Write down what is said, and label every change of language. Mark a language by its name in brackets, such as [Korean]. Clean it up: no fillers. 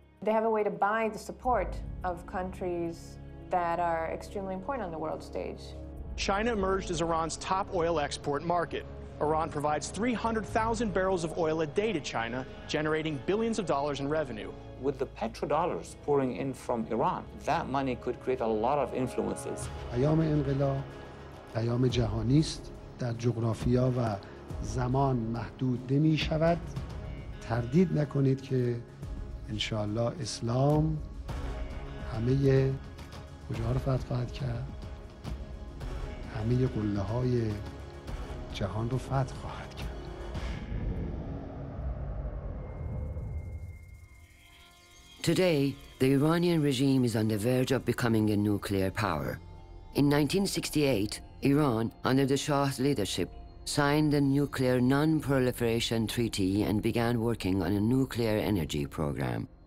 [English] They have a way to buy the support of countries that are extremely important on the world stage. China emerged as Iran's top oil export market. Iran provides 300,000 barrels of oil a day to China, generating billions of dollars in revenue. with the petrodollars pouring in from Iran, that money could create a lot of influences. [Persian] ایام انقلاب ایام جهانی است در جغرافیا و زمان محدود نمی شود. تردید نکنید که ان شاء الله اسلام همه کجاها رو فتح خواهد کرد، همه قله های جهان رو فتح خواهد کرد. [English] Today, the Iranian regime is on the verge of becoming a nuclear power. In 1968, Iran, under the Shah's leadership, signed the Nuclear Non-Proliferation Treaty and began working on a nuclear energy program.